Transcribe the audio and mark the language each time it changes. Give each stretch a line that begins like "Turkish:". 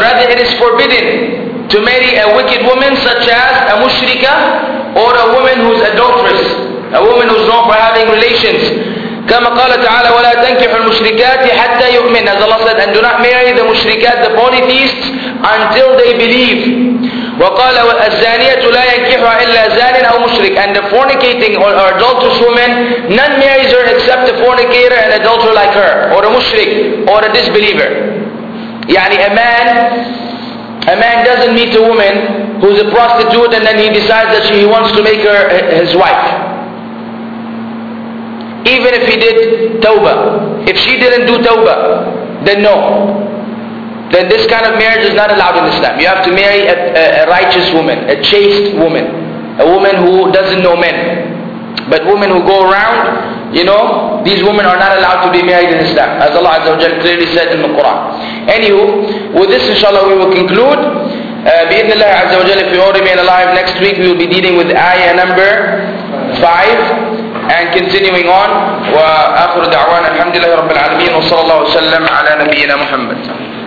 English: Rather, it is forbidden to marry a wicked woman such as a mushrika, or a woman who is adulterous, a woman who is known for having relations.
Arabic: كما قال تعالى وَلَا تَنْكِحُ الْمُشْرِكَاتِ حَتَّى يُؤْمِنَ.
English: As Allah said, and do not marry the mushrikat, the polytheists, until they believe.
Arabic: وقال الزانية لا ينكح إلا زان أو مشرك.
English: And the fornicating or adulterous woman, none marries her except a fornicator and adulterer like her, or a mushrik, or a disbeliever. يعني a man doesn't meet a woman who's a prostitute and then he decides that he wants to make her his wife. Even if he did tawbah, if she didn't do tawbah, then no. Then this kind of marriage is not allowed in Islam. You have to marry a righteous woman, a chaste woman, a woman who doesn't know men. But women who go around, you know, these women are not allowed to be married in Islam, as Allah Azza wa Jalla clearly said in the Quran. Anywho, with this inshallah we will conclude.
Arabic: بإذن الله عز وجل,
English: if you all remain alive, next week we will be dealing with ayah number 5. And continuing on,
Arabic: وآخر دعوانا الحمد لله رب العالمين, وصلى الله وسلم على نبينا محمد.